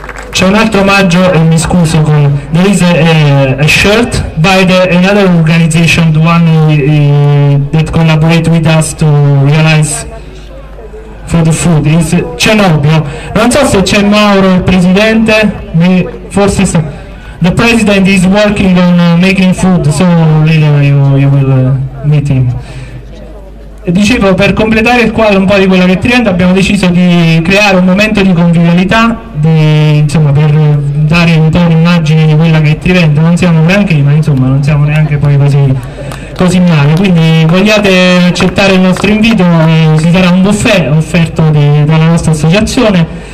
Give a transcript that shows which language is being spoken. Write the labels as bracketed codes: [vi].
[it] C'è un altro omaggio, e mi scuso, con [en] there is a shirt by the another organization, the one that collaborate with us to realize for the food. Is Cernobbio. [it] Non so se c'è Mauro, il presidente, forse so. [en] The president is working on making food, so later you will meet him. [it] Dicevo, per completare il quadro un po' di quello che trenta, abbiamo deciso di creare un momento di convivialità, di, insomma, per dare un po' un'immagine di quella che trenta. Non siamo neanche, ma insomma non siamo neanche poi così male. Quindi vogliate accettare il nostro invito, si farà un buffet offerto dalla nostra associazione.